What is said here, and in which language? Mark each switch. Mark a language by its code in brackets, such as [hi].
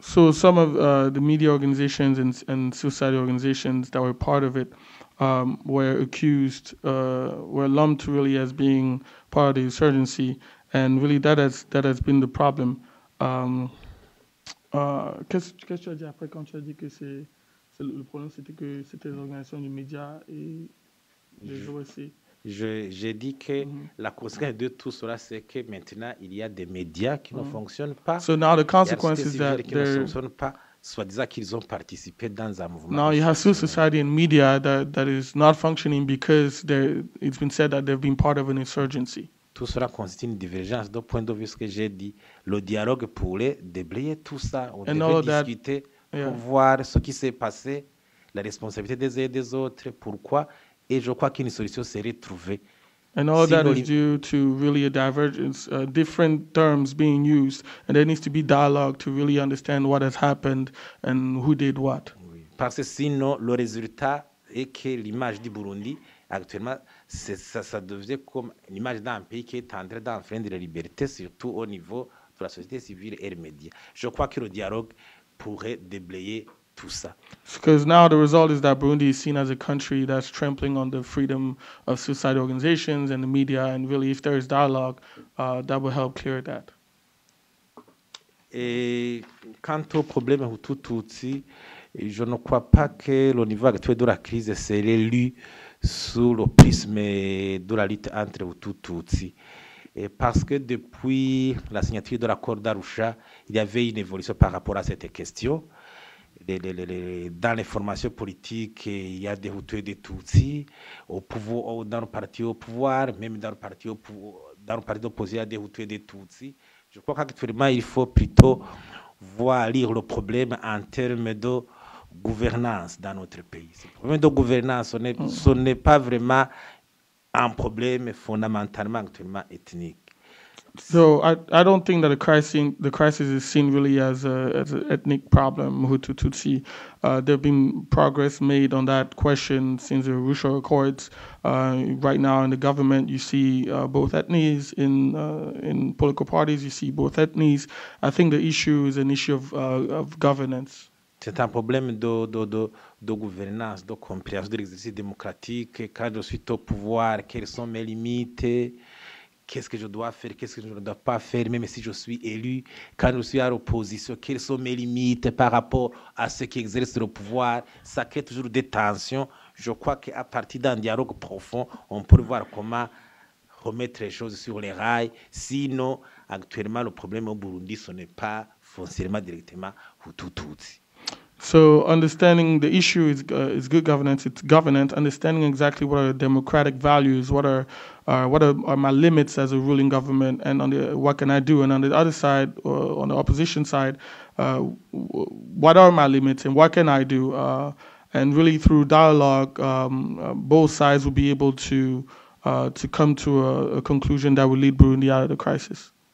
[en] So some of the media organizations and society organizations that were part of it were accused, were lumped really as being part of the insurgency, and really that has been the problem. [fr] Qu'est-ce que tu as dit après quand tu as dit que c'est... Le problème, c'était que c'était l'organisation du média et les OSC. J'ai dit que la conséquence de tout cela, c'est que maintenant, il y a des médias qui ne fonctionnent pas. [en] So now the consequence is that [fr] qui ne fonctionnent pas, soi-disant qu'ils ont participé dans un mouvement. [en] Now you have civil society and media that is not functioning because it's been said that they've been part of an insurgency. [fr] Tout cela constitue une divergence de point de vue, ce que j'ai dit. Le dialogue pourrait déblayer tout ça. On devait discuter... [en] Yeah. [fr] Pour voir ce qui s'est passé, la responsabilité des uns et des autres, pourquoi Et je crois qu'une solution serait trouvée. [en] And all that is due to really a divergence, different terms being used, and there needs to be dialogue to really understand what has happened and who did what. [fr] Oui. Parce que sinon, le résultat est que l'image du Burundi actuellement, ça devient comme l'image d'un pays qui est en train d'enfreindre la liberté, surtout au niveau de la société civile et des médias. Je crois que le dialogue pourrait déblayer tout ça. [en] Because now the result is that Burundi is seen as a country that's trampling on the freedom of suicide organizations and the media, and really, if there is dialogue, that will help clear that. [fr] Et quant au problème Hutu-Tutsi, je ne crois pas que le niveau actuel de la crise serait lu sous le prisme de la lutte entre Hutu-Tutsi. Et parce que depuis la signature de l'accord d'Arusha, il y avait une évolution par rapport à cette question. Dans les formations politiques, il y a des Hutus et des Tutsis. Dans le parti au pouvoir, même dans le parti opposé, il y a des Hutus et des Tutsis. Je crois qu'actuellement, il faut plutôt voir lire le problème en termes de gouvernance dans notre pays. Le problème de gouvernance, ce n'est pas vraiment un problème fondamentalement actuellement ethnique. [en] So I don't think that the crisis is seen really as an ethnic problem, Hutu Tutsi. There have been progress made on that question since the Arusha Accords. Right now in the government, you see both ethnies. In political parties, you see both ethnies. I think the issue is an issue of governance. [fr] C'est un problème de gouvernance, de compréhension, de l'exercice démocratique. Quand je suis au pouvoir, quelles sont mes limites? Qu'est-ce que je dois faire? Qu'est-ce que je ne dois pas faire? Même si je suis élu, quand je suis à l'opposition, quelles sont mes limites par rapport à ceux qui exercent le pouvoir? Ça crée toujours des tensions. Je crois qu'à partir d'un dialogue profond, on pourrait voir comment remettre les choses sur les rails. Sinon, actuellement, le problème au Burundi, ce n'est pas foncièrement directement Hutu-Tutsi. [en] So understanding the issue is good governance. It's governance. Understanding exactly what are democratic values, what are my limits as a ruling government, and on the what can I do? And on the other side, or on the opposition side, what are my limits and what can I do? And really through dialogue, both sides will be able to come to a conclusion that will lead Burundi out of the crisis.